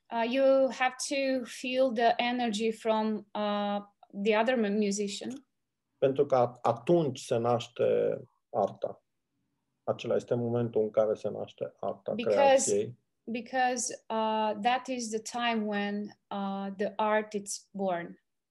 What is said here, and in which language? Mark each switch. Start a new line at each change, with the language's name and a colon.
English: You have to feel the energy from the other musician.
Romanian: Pentru că atunci se naște arta. Acela este momentul în care se naște arta,
English: because,
Romanian: creației.
English: Because that is the time when the art is born.